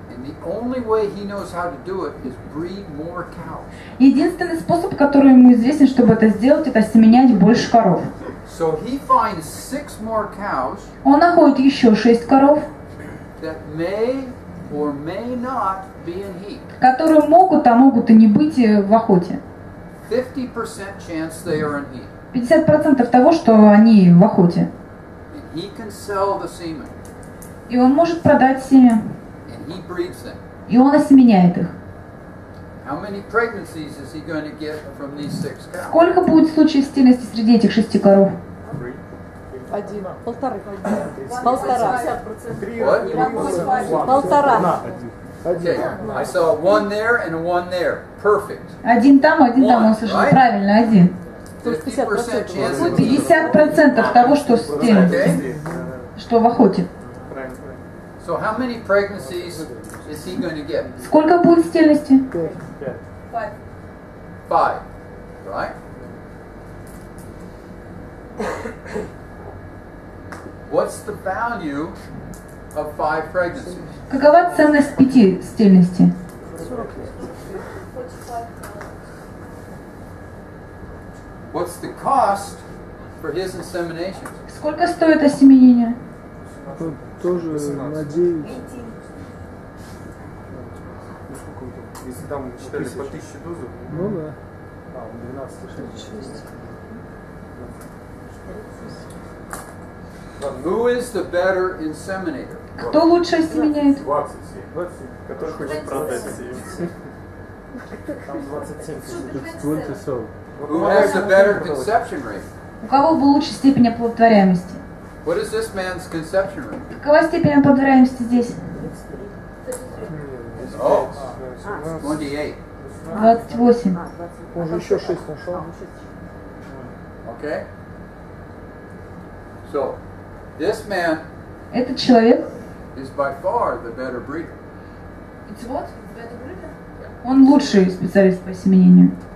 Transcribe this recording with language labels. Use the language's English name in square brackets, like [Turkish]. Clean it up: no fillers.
[English] The only way he knows how to do it is breed more cows. [Russian] Единственный способ, который ему известен, чтобы это сделать, это осеменять больше коров. [English] So he finds 6 more cows. [Russian] Он находит еще 6 коров. [English] That may or may not be in heat. [Russian] Которые могут, а могут и не быть в охоте. [English] 50% chance they are in heat. [Russian] 50% того, что они в охоте. [English] And he can sell the semen. [Russian] И он может продать семя. [English] He breeds them. [Russian] И он осеменяет их. [English] How many pregnancies is he going to get from these six cows? [Russian] Сколько будет случаев стерильности среди этих шести коров? Один. Полторы. Полтора. 50%. Полтора. [English] Okay. I saw one there and one there. Perfect. [Russian] Один там, один там. Он слышал. [English] Right? [Russian] Правильно, один. 50% того, что в стерильности, okay. Что в охоте. [English] So how many pregnancies is he going to get? [Russian] Сколько будет стерильности? [English] Five. Right? What's the value of 5 pregnancies? [Russian] Какова ценность 5 стерильности? [English] What's the cost for his insemination? [Russian] Сколько стоит осеменение? Тоже 18. На 9. Если там считали 1000. По 1000 дозу. Ну да. А, 12. [English] Who is the better inseminator? [Russian] Кто лучше осеменяет? 27. Который хочет продать 27. Там 27. [English] Who has the better conception rate? [Russian] У кого лучше степень оплодотворяемости? [English] What is this man's conception rate? [Russian] Какова степень оплодотворяемости здесь? [English] Oh, 28. [Russian] 28. Он же еще 6 нашел. [English] Okay. So, this man. [Russian] Этот человек. [English] Is by far the better breeder. It's what? Better breeder? [Russian] Он лучший специалист по осеменению.